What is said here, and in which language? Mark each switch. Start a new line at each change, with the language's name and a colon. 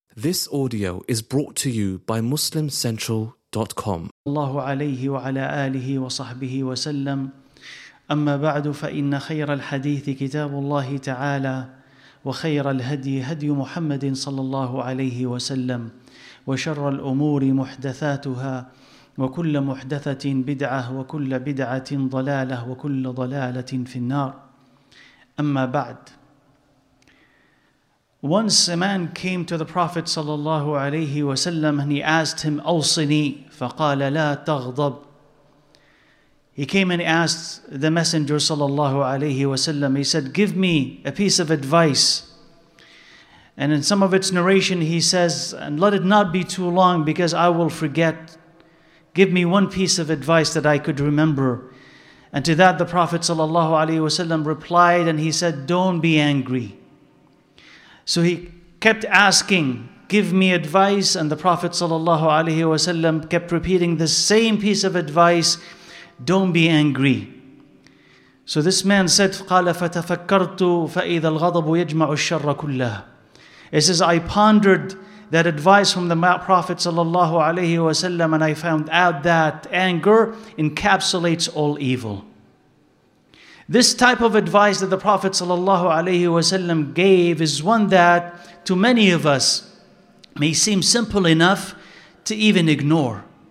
English: This audio is brought to you by MuslimCentral.com.
Arabic: الله عليه وعلى آله وصحبه وسلم. أما بعد فإن خير الحديث كتاب الله تعالى وخير الهدي هدي محمد صلى الله عليه وسلم وشر الأمور محدثاتها وكل محدثة بدعة وكل بدعة ضلالة وكل ضلالة في النار. أما بعد.
English: Once a man came to the Prophet sallallahu alayhi wa sallam and he asked him, "Awsini,"
Arabic: faqala la taghdab.
English: He came and he asked the Messenger sallallahu alayhi wa sallam, he said, "Give me a piece of advice." And in some of its narration he says, "And let it not be too long because I will forget. Give me one piece of advice that I could remember." And to that the Prophet sallallahu alayhi wa sallam replied and he said, "Don't be angry." So he kept asking, "Give me advice," and the Prophet sallallahu alaihi wasallam kept repeating the same piece of advice, "Don't be angry." So this man said,
Arabic: "قَالَ فَتَفَكَّرْتُ فَإِذَا الْغَضَبُ يَجْمَعُ الشَّرَّ كُلَّهُ."
English: It says, "I pondered that advice from the Prophet sallallahu alaihi wasallam, and I found out that anger encapsulates all evil." This type of advice that the Prophet sallallahu alaihi wasallam gave is one that to many of us may seem simple enough to even ignore.